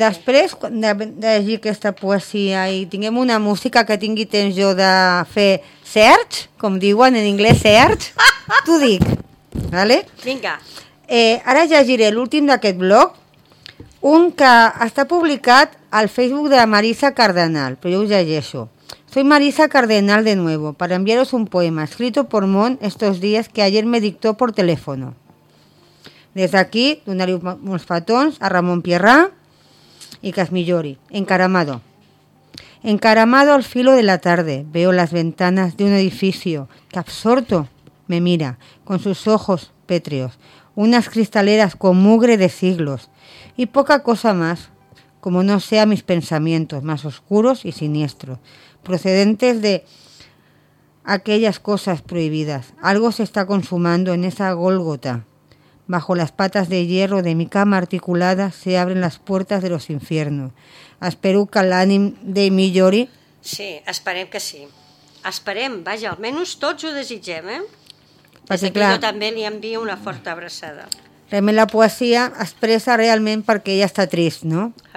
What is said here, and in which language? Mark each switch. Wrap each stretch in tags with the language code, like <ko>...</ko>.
<ca>Després de llegir aquesta poesia i tinguem una música que tingui temps jo de fer search, com diuen en anglès search, t'ho dic, vale? Vinga. Ara llegiré l'últim d'aquest blog, un que està publicat al Facebook de Marisa Cardenal, però jo us llegeixo.</ca> <es>Soy Marisa Cardenal de nuevo, para enviaros un poema escrito por Mon estos días que ayer me dictó por teléfono.</es> <ca>Des d'aquí, donar-li molts petons a Ramon Pierrà i que es millori.</ca> <es>Encaramado. Encaramado al filo de la tarde, veo las ventanas de un edificio que absorto me mira con sus ojos pétreos, unas cristaleras con mugre de siglos y poca cosa más, como no sea mis pensamientos más oscuros y siniestros, procedentes de aquellas cosas prohibidas. Algo se está consumando en esa Gólgota. Bajo las patas de hierro de mi cama articulada se abren las puertas de los infiernos.</es> <ca>Espero que l'ànim de millori. Sí, esperem que sí. Esperem, vaja, almenys tots ho desitgem, eh? Perquè, clar, jo també li envio una forta abraçada. Realment la poesia expressa realment perquè ella està trist, no?</ca>